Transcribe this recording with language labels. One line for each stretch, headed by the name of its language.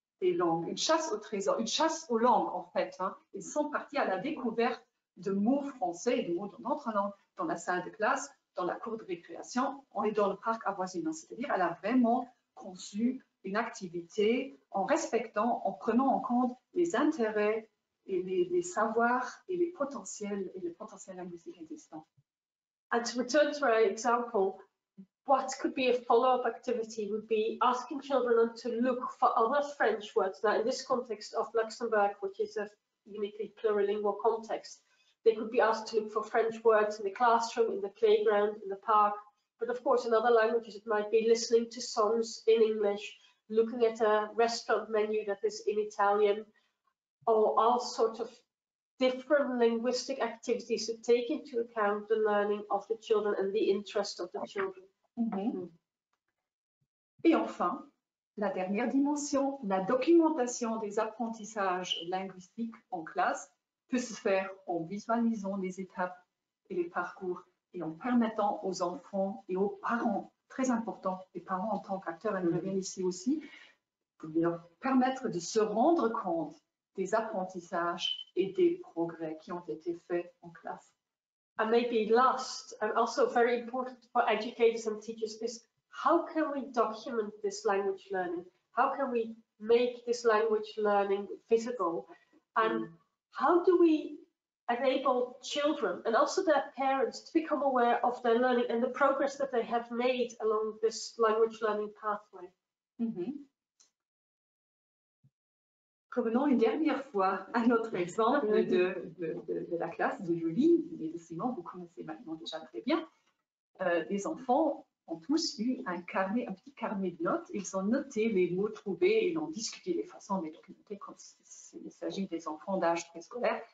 French: des langues, une chasse au trésor, une chasse aux langues en fait. Hein. Ils sont partis à la découverte de mots français et de mots dans d'autres langues, dans la salle de classe, dans la cour de récréation, on est dans le parc avoisinant. C'est-à-dire, elle a vraiment conçu une activité en respectant, en prenant en compte les intérêts et les savoirs et les potentiels linguistiques existants.
English: And to return to our example, what could be a follow-up activity would be asking children to look for other French words that in this context of Luxembourg, which is a uniquely plurilingual context, they could be asked to look for French words in the classroom, in the playground, in the park. But of course, in other languages, it might be listening to songs in English, looking at a restaurant menu that is in Italian, or all sorts of different linguistic activities to take into account the learning of the children and the interest of the children. Mm-hmm.
French: Et enfin, la dernière dimension, la documentation des apprentissages linguistiques en classe peut se faire en visualisant les étapes et les parcours et en permettant aux enfants et aux parents, très important, les parents en tant qu'acteurs, elles reviennent ici aussi, pour leur permettre de se rendre compte des apprentissages et des progrès qui ont été faits en classe.
English: And maybe last, and also very important for educators and teachers, is how can we document this language learning? How can we make this language learning visible? And how do we enable children and also their parents to become aware of their learning and the progress that they have made along this language learning pathway?
French: Revenons une dernière fois à notre exemple de la classe de Julie et de Simon, vous connaissez maintenant déjà très bien. Les enfants ont tous eu un carnet, un petit carnet de notes. Ils ont noté les mots trouvés, ils ont discuté les façons de les documenter quand il s'agit des enfants d'âge préscolaire.